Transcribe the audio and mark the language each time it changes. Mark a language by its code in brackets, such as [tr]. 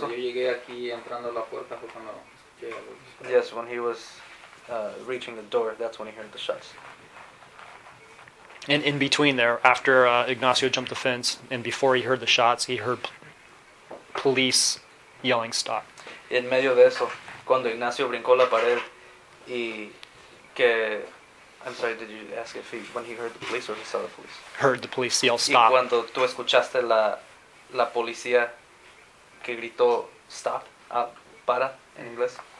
[es] Cuando yo llegué aquí entrando a la puerta fue cuando escuché los disparos. [en] Yes, when he was reaching the door, that's when he heard the shots. And in between there, after Ignacio jumped the fence, and before he heard the shots, he heard police yelling stop. [es] En medio de eso, cuando Ignacio brincó la pared, y que... [en] I'm sorry, did you ask if when he heard the police or he saw the police? Heard the police yell stop. [es] Y cuando tú escuchaste la policía que gritó stop, para, en inglés.